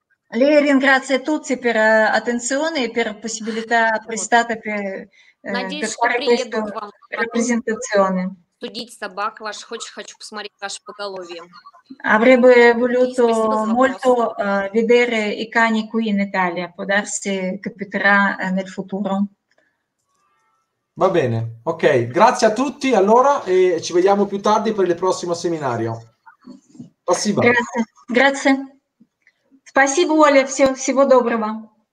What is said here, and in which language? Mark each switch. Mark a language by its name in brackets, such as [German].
[Italian] Lei ringrazia tutti per l'attenzione e per la possibilità prestata per fare questa rappresentazione. Studiare [Russian] собак ваш, хочу посмотреть ваше поголовье. [Italian] Avrebbe voluto molto vedere i cani qui in Italia, può darsi capiterà nel futuro. Va bene, ok, grazie a tutti allora e ci vediamo più tardi per il prossimo seminario. [Russian] Спасибо. [Italian] Grazie, grazie. [Russian] Спасибо, Оля, всего доброго.